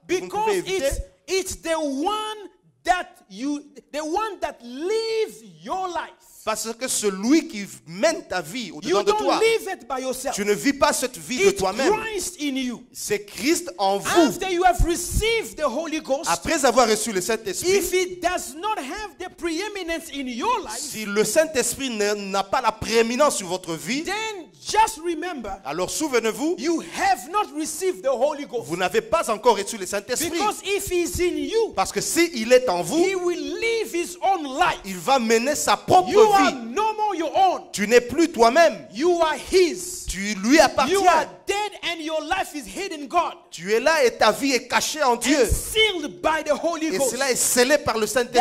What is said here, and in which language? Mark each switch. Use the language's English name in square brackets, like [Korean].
[English] Because it's the one that lives your life. [French] Parce que celui qui mène ta vie au-dedans de toi, [English] live it by yourself. [French] Tu ne vis pas cette vie [English] it's [French] de toi-même. [English] Christ in you. [French] C'est Christ en vous. [English] After you have received the Holy Ghost, [French] après avoir reçu le Saint-Esprit, [English] if it does not have the preeminence in your life, [French] si le Saint-Esprit n'a pas la prééminence sur votre vie, [English] then just remember, [French] alors souvenez-vous, [English] you have not received the Holy Ghost. [French] Vous n'avez pas encore reçu le Saint-Esprit. [English] Because if he's in you, [French] parce que s'il est en vous, [English] he will live his own life. [French] Il va mener sa propre vie. [English] You are no more your own. [French] Tu n'es plus toi-même. [English] You are his. [French] Tu lui appartiens. [English] You are dead and your life is hidden God. [French] Tu es là et ta vie est cachée en Dieu. [English] And sealed by the Holy Ghost. [French] Et cela est scellé par le Saint-Esprit.